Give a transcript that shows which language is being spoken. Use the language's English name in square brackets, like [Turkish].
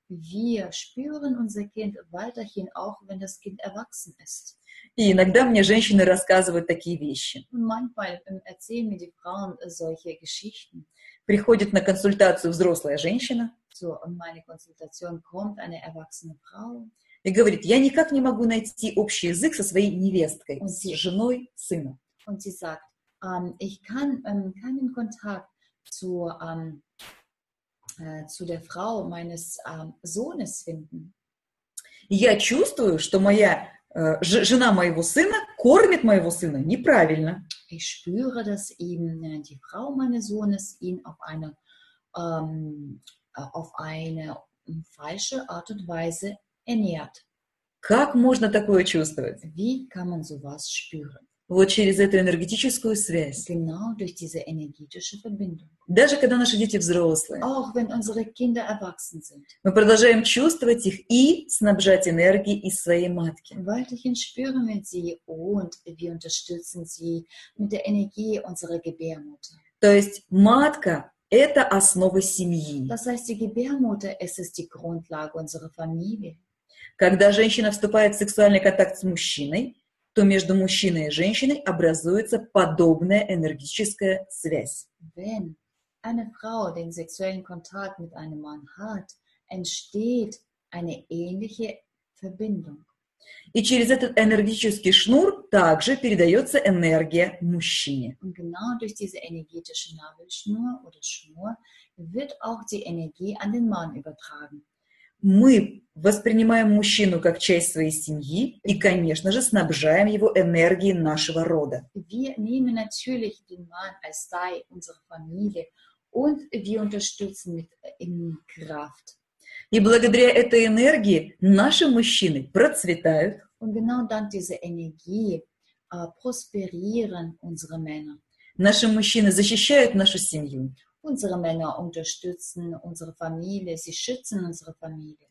[German] Wir spüren unser Kind weiterhin, auch wenn das Kind erwachsen ist. [Russian] И иногда мне женщины рассказывают такие вещи. [German] Manchmal erzählen mir die Frauen solche Geschichten. [Russian] Приходит на консультацию взрослая женщина. [German] So, meine Konsultation kommt eine erwachsene Frau. [Russian] И говорит, я никак не могу найти общий язык со своей невесткой, [German] und [Russian] с женой сына. [German] Und sie sagt, ich kann keinen Kontakt zu der Frau meines Sohnes finden. [Russian] Я чувствую, что моя жена моего сына кормит моего сына неправильно. [German] Ich spüre, dass eben die Frau meines Sohnes ihn auf eine falsche Art und Weise ernährt. [Russian] Как можно такое чувствовать? [German] Wie kann man sowas spüren? [Russian] Вот через эту энергетическую связь. [German] Genau durch diese energetische Verbindung. [Russian] Даже когда наши дети взрослые. [German] Auch wenn unsere Kinder erwachsen sind. [Russian] Мы продолжаем чувствовать их и снабжать энергией из своей матки. [German] Weiterhin spüren wir sie und wir unterstützen sie mit der Energie unserer Gebärmutter. [Russian] То есть матка – это основа семьи. [German] Das heißt, die Gebärmutter, es ist die Grundlage unserer Familie. [Russian] Когда женщина вступает в сексуальный контакт с мужчиной, то между мужчиной и женщиной образуется подобная энергетическая связь. [German] Wenn eine Frau den sexuellen Kontakt mit einem Mann hat, entsteht eine ähnliche Verbindung. [Russian] И через этот энергетический шнур также передается энергия мужчине. [German] Und genau durch diese energetische Nabelschnur oder Schnur wird auch die Energie an den Mann übertragen. [Russian] Мы воспринимаем мужчину как часть своей семьи и, конечно же, снабжаем его энергией нашего рода. [German] Wir nehmen natürlich den Mann als Teil unserer Familie und wir unterstützen mit Kraft. [Russian] И благодаря этой энергии наши мужчины процветают. [German] Und genau dank dieser Energie prosperieren unsere Männer. [Russian] Наши мужчины защищают нашу семью. [German] Unsere Männer unterstützen unsere Familie, sie schützen unsere Familie.